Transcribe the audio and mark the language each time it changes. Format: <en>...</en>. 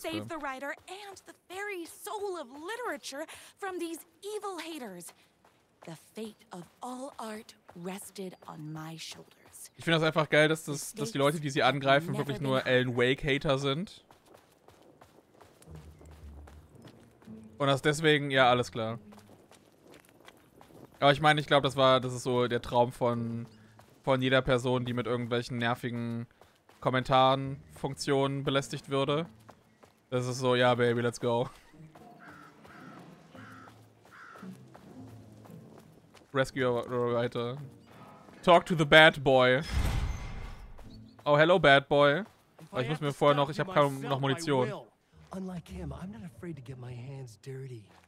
<en>save the writer and the very soul of literature from these evil haters. The fate of all art rested on my shoulders.</en> <de>Ich finde das einfach geil, dass die Leute, die sie angreifen, wirklich nur Alan Wake-Hater sind. Und das deswegen, ja, alles klar. Aber ich meine, ich glaube, das ist so der Traum von jeder Person, die mit irgendwelchen nervigen Kommentarenfunktionen belästigt würde. Das ist so, ja,</de> <en>baby, let's go. Rescue Writer. Talk to the bad boy. Oh, hello, bad boy.</en> <de>Aber ich muss mir vorher noch, ich habe kaum noch Munition.</de> <en>Unlike him, I'm not afraid to get my hands dirty.</en>